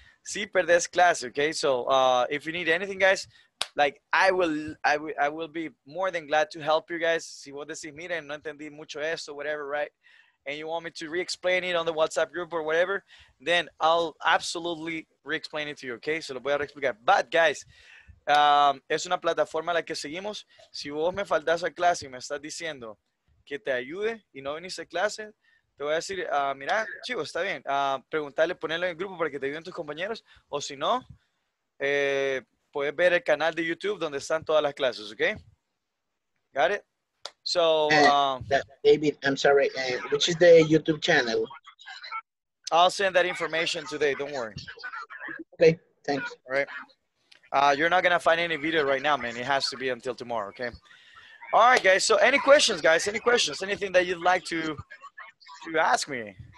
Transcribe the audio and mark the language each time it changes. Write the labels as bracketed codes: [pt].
[es] Si perdés clase, [en] okay? So if you need anything, guys, like I will be more than glad to help you guys. [es] Si vos decís, mira, no entendí mucho eso, [en] whatever, right? And you want me to re-explain it on the WhatsApp group or whatever, then I'll absolutely re-explain it to you, okay? [es] Se lo voy a re-explicar. But guys, es una plataforma a la que seguimos. Si vos me faltas a clase y me estás diciendo que te ayude y no viniste a clase, te voy a decir, mira, chivo, está bien. Preguntarle, ponerlo en el grupo para que te ayuden tus compañeros. O si no, puedes ver el canal de YouTube donde están todas las clases, okay? [en] Got it? So, David, I'm sorry, which is the YouTube channel? I'll send that information today, don't worry. Okay, thanks. All right. You're not gonna find any video right now, man. It has to be until tomorrow, okay? All right, guys, so any questions, guys? Any questions? Anything that you'd like to ask me?